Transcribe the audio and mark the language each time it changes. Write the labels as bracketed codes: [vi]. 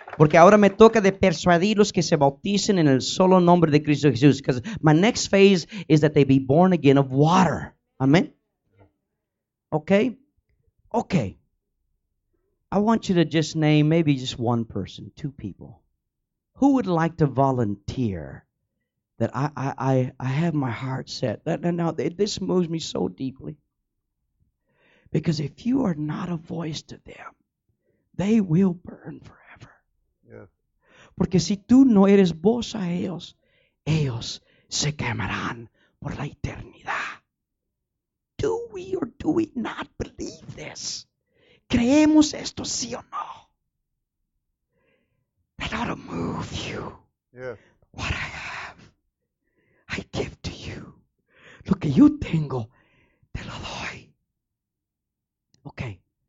[es] Porque ahora me toca de persuadirlos que se bauticen en el solo nombre de Cristo Jesús. [en] Because my next phase is that they be born again of water. Amen? Okay. I want you to just name maybe just one person, two people. Who would like to volunteer that I have my heart set? Now, this moves me so deeply. Because if you are not a voice to them, they will burn forever. Yeah. [es] Porque si tú no eres voz a ellos, ellos se quemarán por la eternidad. [en] Do we or do we not believe this? [es] ¿Creemos esto sí o no? [en] That ought to move you. Yeah. What I have, I give to you. [es] Lo que yo tengo, te lo doy. Okay.